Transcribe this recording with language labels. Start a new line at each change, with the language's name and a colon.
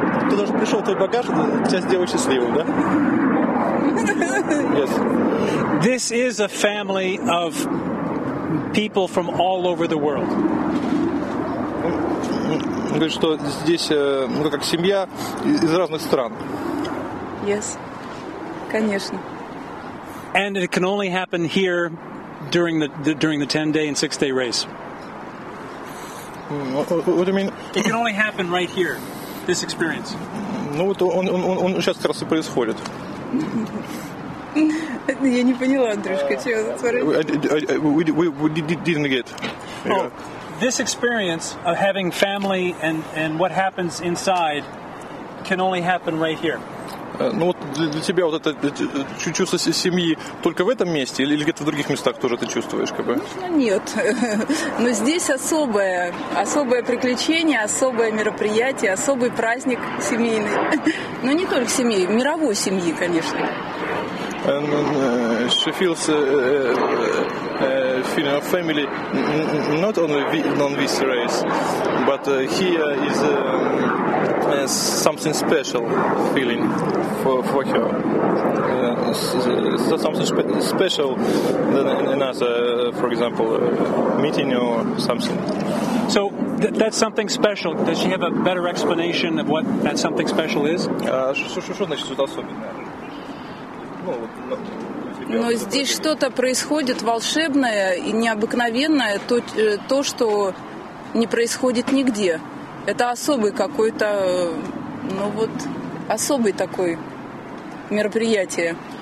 Russian: Ты даже пришел твой багаж, тебя сделал счастливым, да?
English: Yes. This is a family of people from all over the world.
Russian: Он говорит, что здесь, ну, как семья из разных стран. Yes, конечно.
English: And it can only happen here during the 10-day and 6-day race. What do you mean? It can only happen right here, this experience.
Russian: Ну, вот он сейчас как раз и происходит. Я не поняла, Андрюшка, чего за твари?
English: We didn't get. This experience of having family and what happens inside can only happen right here.
Russian: Ну вот для тебя вот это чувство семьи только в этом месте или где-то в других местах тоже ты чувствуешь, как бы? Нет, но здесь особое приключение, особое мероприятие, особый праздник семейный. Но не только семьи, мировой семьи, конечно.
English: She feels feeling of family not only on this race, but here is something special feeling for her. Something special than another, for example, meeting or something. So that's something special. Does she have a better explanation of what that something special is?
Russian: Что значит что-то особенное? Но здесь что-то происходит волшебное и необыкновенное, то, что не происходит нигде. Это особый какой-то, ну вот, особый такой мероприятие.